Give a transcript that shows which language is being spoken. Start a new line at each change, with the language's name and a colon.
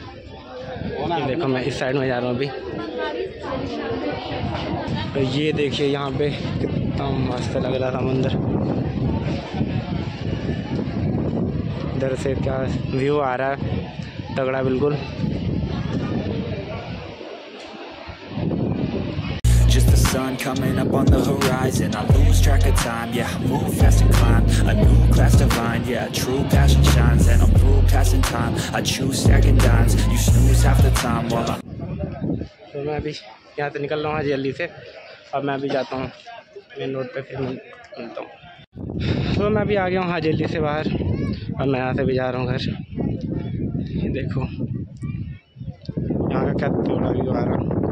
Hindi: देखो मैं इस साइड में जा रहा हूँ अभी, तो ये देखिए यहाँ पे कितना मस्त लग रहा था समुंदर, इधर से क्या व्यू आ रहा है, तगड़ा बिल्कुल।
English: Sun coming up on the horizon, I lose track of time, yeah, I move fast and climb, a new class divine, yeah, true passion shines, and I'm through passing time, I choose stacking dimes, you snooze half the time while I...
Hindi: So, मैं अभी यहाँ से निकल रहा हूँ हाजी अली से, और मैं अभी जाता हूँ मेन रोड पे, फिर मिलता हूँ। तो मैं अभी आ गया हूँ हाजी अली से बाहर, और मैं यहाँ से भी जा रहा हूँ घर। देखो यहाँ का क्या थोड़ा व्यू आ रहा है।